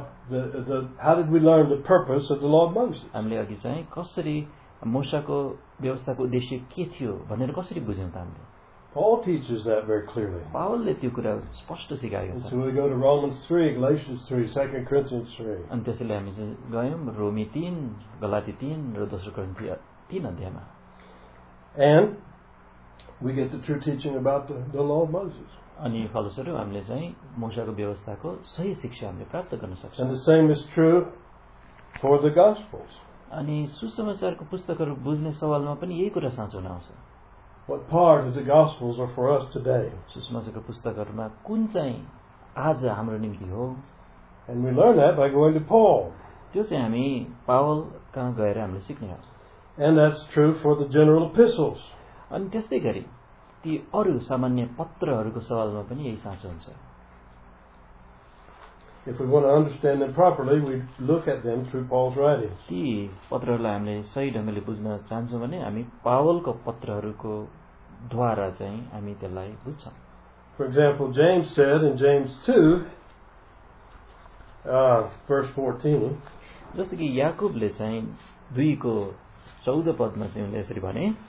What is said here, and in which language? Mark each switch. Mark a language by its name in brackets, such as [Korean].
[English] How did we learn the purpose of the law of Moses? [Nepali] हामीले अघि चाहिँ कसरी मूसाको व्यवस्थाको उद्देश्य के थियो भनेर कसरी बुझ्यौँ त हामीले. [English] Paul teaches that very clearly. [Nepali] पावलले त्यो कुरा स्पष्ट सिकाएको छ. [English] So we go to Romans 3, Galatians 3, 2 Corinthians 3. [Nepali] अनि त्यसैले हामी चाहिँ गयौँ रोमी 3, गलाती 3 र दोस्रो कोरिन्थी 3 अध्यायमा. [English] And we get the true teaching about the law of Moses. [Nepali] अनि फलस्वरूप हामीले चाहिँ मूसाको व्यवस्थाको सही शिक्षा हामीले प्राप्त गर्न सक्छौँ. [English] And the same is true for the Gospels. [Nepali] अनि सुसमाचारको पुस्तकहरू बुझ्ने सवालमा पनि यही कुरा साँचो हुन आउँछ. [English] What part of the Gospels are for us today? [Nepali] सुसमाचारको पुस्तकहरूमा कुन चाहिँ आज हाम्रो निम्ति हो? [English] And we learn that by going to Paul. [Nepali] त्यो चाहिँ हामी पावल कहाँ गएर हामीले सिक्ने हो. [English] And that's true for the general epistles. [Nepali] अनि त्यस्तै गरी ती अरू सामान्य पत्रहरूको सवालमा पनि यही साँचो हुन्छ. [English] If we want to understand them properly, we look at them through Paul's writings. [Nepali] ती पत्रहरूलाई हामीले सही ढंगले बुझ्न चाहन्छौँ भने हामी पावलको पत्रहरूको द्वारा चाहिँ हामी त्यसलाई बुझ्छौँ. [English] For example, James said in James 2, verse 14, [Nepali] जस्तो कि याकुबले चाहिँ दुईको 14 पदमा चाहिँ उनले यसरी भने.